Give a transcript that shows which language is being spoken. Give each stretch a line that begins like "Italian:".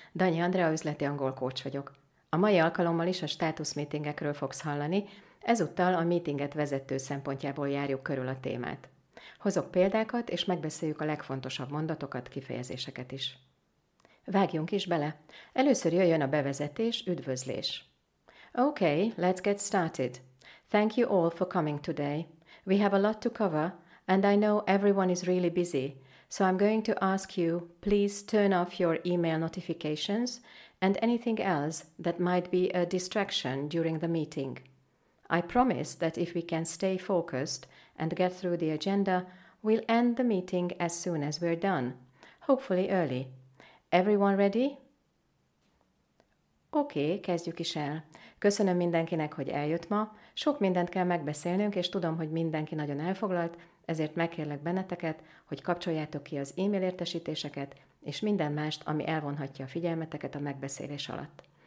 Hungarian: Dani Andrea üzleti angol coach vagyok. A mai alkalommal is a státusz meetingekről fogsz hallani, ezúttal a meetinget vezető szempontjából járjuk körül a témát. Hozok példákat, és megbeszéljük a legfontosabb mondatokat, kifejezéseket is. Vágjunk is bele! Először jöjjön a bevezetés, üdvözlés.
English: Okay, let's get started. Thank you all for coming today. We have a lot to cover, and I know everyone is really busy. So I'm going to ask you, please turn off your email notifications and anything else that might be a distraction during the meeting. I promise that if we can stay focused and get through the agenda, we'll end the meeting as soon as we're done, hopefully early. Everyone ready? Okay,
Hungarian: kezdjük is el. Köszönöm mindenkinek, hogy eljött ma. Sok mindent kell megbeszélnünk, és tudom, hogy mindenki nagyon elfoglalt, ezért megkérlek benneteket, hogy kapcsoljátok ki az e-mail értesítéseket, és minden mást, ami elvonhatja a figyelmeteket a megbeszélés alatt.